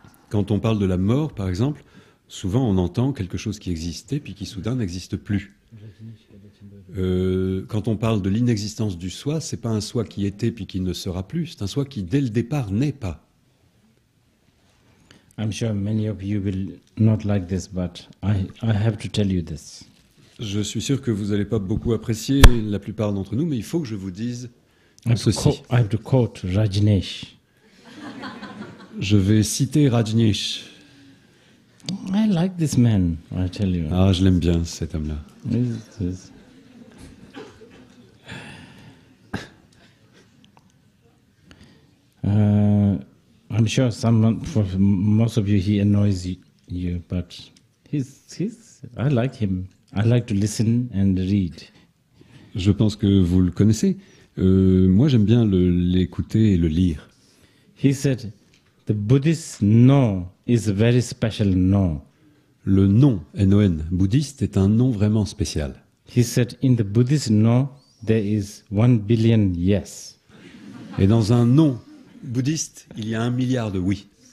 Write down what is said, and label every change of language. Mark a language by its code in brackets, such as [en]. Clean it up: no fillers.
[fr] Quand on parle de la mort, par exemple, souvent on entend quelque chose qui existait puis qui soudain n'existe plus. Quand on parle de l'inexistence du soi, c'est pas un soi qui était puis qui ne sera plus, c'est un soi qui dès le départ n'est pas. [en] I'm sure many of you will not like this, but I have to tell you this. [fr] Je suis sûr que vous n'allez pas beaucoup apprécier la plupart d'entre nous, mais il faut que je vous dise ceci. [en] I have to quote Rajneesh. [fr] Je vais citer Rajneesh. [en] I like this man, I tell you. [fr] Ah, je l'aime bien, cet homme-là. [en] I'm sure for most of you, he annoys you, but he's. I like him. I like to listen and read. [fr] Je pense que vous le connaissez. Moi, j'aime bien l'écouter et le lire. [en] He said, "The Buddhist non is a very special non." [fr] Le non, N-O-N, bouddhiste, est un non vraiment spécial. [en] He said, "In the Buddhist non, there is 1 billion yes." [fr] Et dans un non bouddhiste, il y a 1 milliard de oui.